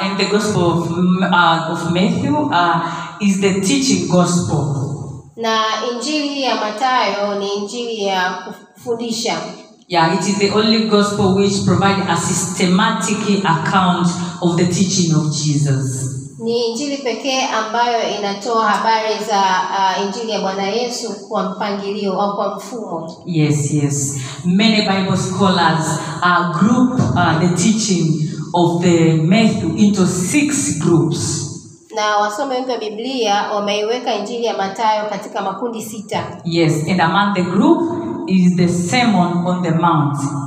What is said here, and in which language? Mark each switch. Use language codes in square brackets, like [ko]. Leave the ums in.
[en] and the gospel of, uh, of matthew uh, is the teaching gospel [sw] na injili ya matayo injili ya kufundisha. [en] Yeah, it is the only gospel which provides a systematic account of the teaching of Jesus. [sw] ni injili pekee ambayo inatoa habari za uh, injili ya Bwana Yesu kwa mpangilio au kwa mfumo. [en] Yes, yes. Many Bible scholars uh, group uh, the teaching of the Matthew into six groups. [sw] Na wasome wengi wa Biblia wameiweka injili ya Mathayo katika makundi sita. [en] Yes, and among the group is the Sermon on the Mount.